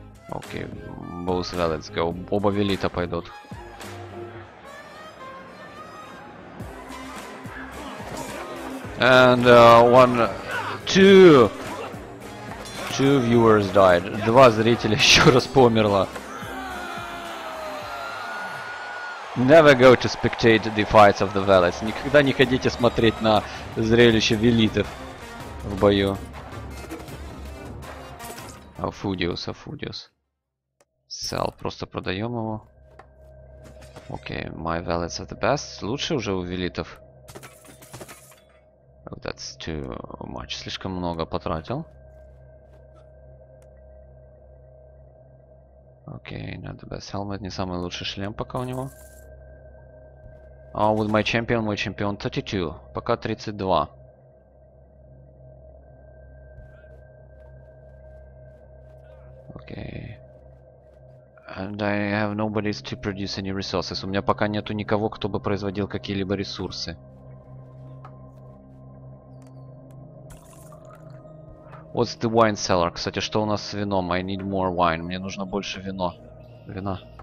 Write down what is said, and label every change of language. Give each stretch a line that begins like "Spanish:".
English: Окей, both valets go.
Russian: Оба велита пойдут.
English: And one... Two... Two viewers died.
Russian: Два зрителя еще раз померло.
English: Never go to spectate the fights of the valets.
Russian: Никогда не ходите смотреть на зрелище велитов в бою. Афудиус, Афудиус. Sell. Просто продаем его.
English: Okay, my valets are the best.
Russian: Лучше уже у велитов.
English: Oh, that's too much.
Russian: Слишком много потратил.
English: Окей, okay, not the best helmet,
Russian: не самый лучший шлем пока у него.
English: Oh, with my champion 32, пока 32. Окей. Okay. And I have nobody to produce any resources.
Russian: У меня пока нету никого, кто бы производил какие-либо ресурсы.
English: What's the wine cellar?
Russian: Кстати, что у нас с вином?
English: I need more wine.
Russian: Мне нужно больше вино. Вина.